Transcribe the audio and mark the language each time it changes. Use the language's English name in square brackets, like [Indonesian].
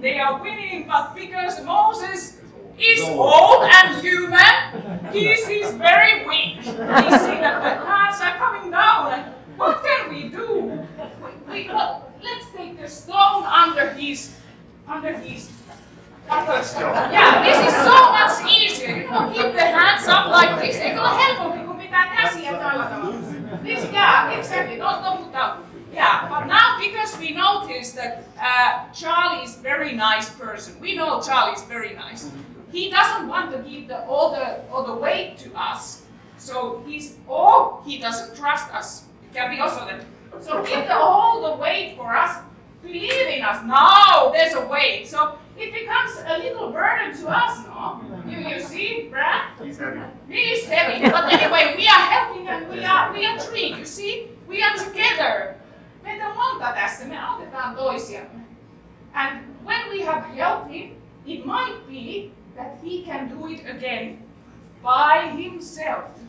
[English] They are winning, but because Moses is old and human, he is very weak. We see that the clouds are coming down, and what can we do? Let's take the stone under his upper stone. Yeah, this is so much easier. You know, keep the hands up like this. [Finnish] Ei ole helpo, kun pitää käsiä tällä tavalla. [English] Yeah, exactly. Yeah, but now because we notice that Charlie is very nice person, we know Charlie is very nice. He doesn't want to give all the weight to us. So he doesn't trust us. It can be also that. So give all the weight for us. Believe in us. No, there's a weight. So it becomes a little burden to us, no? You see, Brad? He's heavy. He is heavy. But anyway, we are helping and we are three, you see? We are together. [Finnish] Meitä on monta tässä, me autetaan toisiamme. [English] And when we have helped him, it might be that he can do it again by himself.